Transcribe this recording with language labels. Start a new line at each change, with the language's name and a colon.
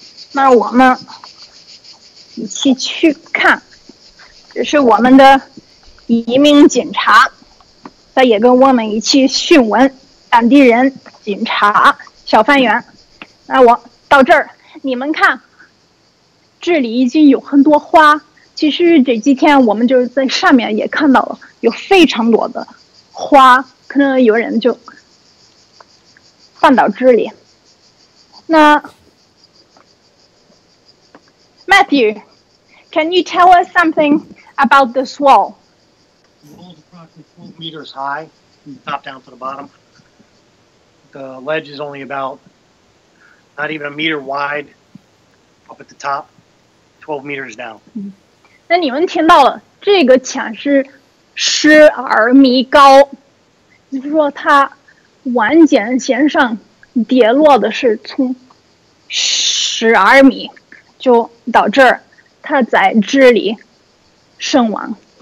Chinese: 那我们一起去看，这是我们的移民警察，他也跟我们一起讯问当地人、警察、小贩员。那我到这儿，你们看，这里已经有很多花。其实这几天我们就是在上面也看到了，有非常多的花，可能有人就放到这里。
English: 那Matthew, can you tell us something about this wall? The wall is approximately 12 meters high from the top down to the bottom. The ledge is only about not even a meter wide up at the top, 12 meters down.
Chinese: 那你们听到了，这个墙是12米高，就是说它完全先上跌落的是从12米。就到这儿，他在这里身亡。